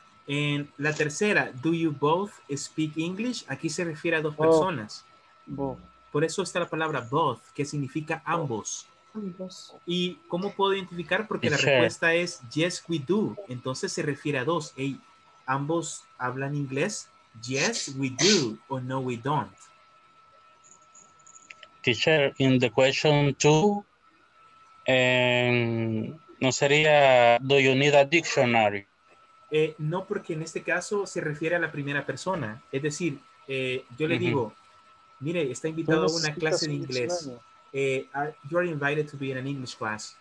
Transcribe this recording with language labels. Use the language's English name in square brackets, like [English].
[English] And [Spanish] la tercera, [English] do you both speak English? [Spanish] Aquí se refiere a dos personas. [English] Both. [Spanish] Por eso está la palabra both, que significa ambos. ¿Y cómo puedo identificar? Porque la respuesta es [English] yes, we do. [Spanish] Entonces se refiere a dos. Hey, ¿ambos hablan inglés? [English] Yes, we do. [Spanish] O no, [English] we don't. Teacher, in the question two, [Spanish] no sería, [English] do you need a dictionary? [Spanish] No, porque en este caso se refiere a la primera persona. Es decir, yo le digo, mire, está invitado a una clase de inglés. [English] You are invited to be in an English class.